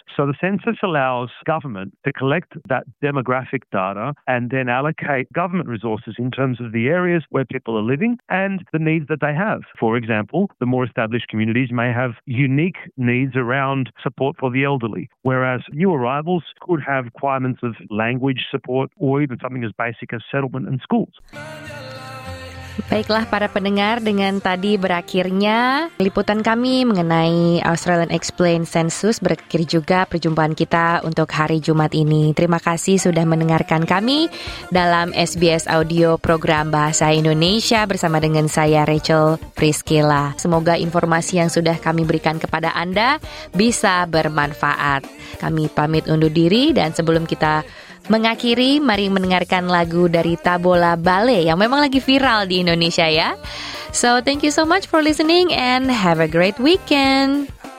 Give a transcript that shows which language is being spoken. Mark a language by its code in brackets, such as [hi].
[en] So the census allows government to collect that demographic data and then allocate government resources in terms of the areas where people are living and the needs that they have. For example, the more established communities may have unique needs around support for the elderly, whereas new arrivals could have requirements of language support or even something as basic as settlement and schools. [id] Baiklah para pendengar, dengan tadi berakhirnya liputan kami mengenai Australian Explained Census, berakhir juga perjumpaan kita untuk hari Jumat ini. Terima kasih sudah mendengarkan kami dalam SBS Audio Program Bahasa Indonesia bersama dengan saya Rachel Priscilla. Semoga informasi yang sudah kami berikan kepada Anda bisa bermanfaat. Kami pamit undur diri dan sebelum kita mengakhiri, mari mendengarkan lagu dari Tabola Bale yang memang lagi viral di Indonesia ya. [en] So thank you so much for listening and have a great weekend.